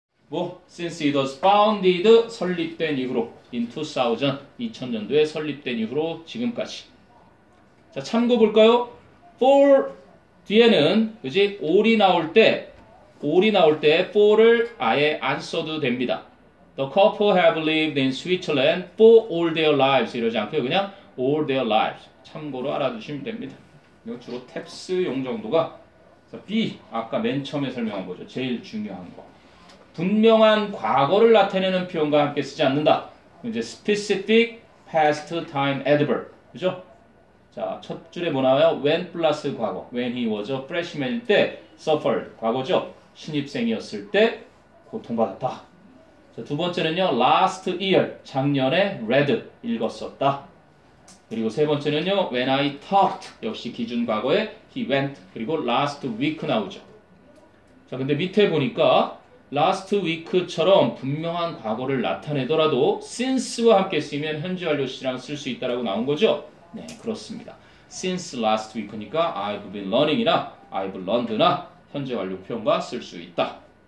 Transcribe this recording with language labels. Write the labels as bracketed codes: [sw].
[ko] 뭐 [en] since it was founded [ko] 설립된 이후로 in 2000 2000년도에 설립된 이후로 지금까지 자 참고 볼까요? for 뒤에는 그지 올이 나올 때 for를 아예 안 써도 됩니다. [en] The couple have lived in Switzerland for all their lives [ko] 이러지 않고요. 그냥 all their lives 참고로 알아두시면 됩니다. 이거 주로 탭스용 정도가 그래서 B 아까 맨 처음에 설명한 거죠. 제일 중요한 거. 분명한 과거를 나타내는 표현과 함께 쓰지 않는다. [en] 이제 specific past time adverb. 그죠? [ko] 자, 첫 줄에 뭐 나와요? [en] when plus 과거. when he was a freshman일 때 suffered 과거죠. [ko] 신입생이었을 때 고통받았다. 자, 두 번째는요. [en] last year 작년에 read 읽었었다. [ko] 그리고 세 번째는요. [en] when I talked [ko] 역시 기준 과거에 [en] he went 그리고 last week 나오죠. [ko] 자, 근데 밑에 보니까 last week처럼 분명한 과거를 나타내더라도 since와 함께 쓰면 현재 완료 시랑 쓸수 있다라고 나온 거죠? 네, 그렇습니다. since last week니까 [en] I've been learning [ko] 이나 I've learned나 현재 완료 표현과 쓸수 있다.